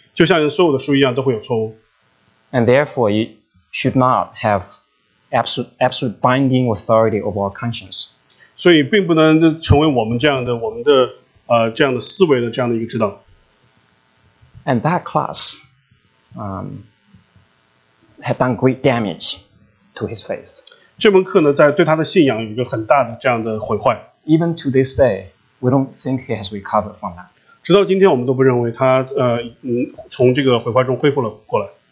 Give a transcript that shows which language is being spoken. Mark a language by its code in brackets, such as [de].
[zh] 就像所有的书一样都会有错误。 [en] And therefore it should not haveabsolute binding authority over our conscience. [zh] 所以并不能成为我们的这样的思维的这样的一个指导。 [en] And that class, had done great damage to his faith. [zh] 这门课呢，在对他的信仰有一个很大的这样的毁坏。 [en] Even to this day, we don't think he has recovered from that. [zh] 直到今天，我们都不认为他从这个毁坏中恢复了过来。